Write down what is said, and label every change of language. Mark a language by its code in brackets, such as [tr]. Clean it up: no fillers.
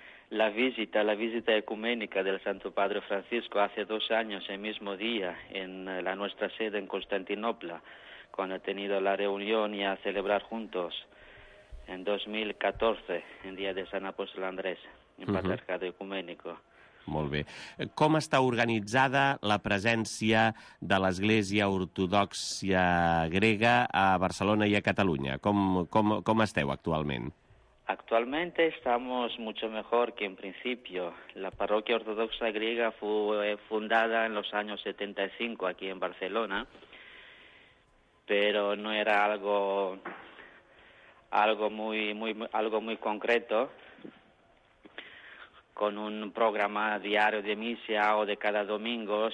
[es] La visita ecuménica del Santo Padre Francisco hace 2 años, el mismo día, en la nuestra sede en Constantinopla, cuando ha tenido la reunión y a celebrar juntos en 2014, en día de San Apóstol Andrés, en Patriarcado Ecuménico. [ca] Molt bé. Com està organitzada la presència de l'Església Ortodoxa Grega a Barcelona i a Catalunya? Com esteu actualment? [es] Actualmente estamos mucho mejor que en principio. La parroquia ortodoxa griega fue fundada en los años 75 aquí en Barcelona, pero no era algo muy concreto, con un programa diario de misa o de cada domingo.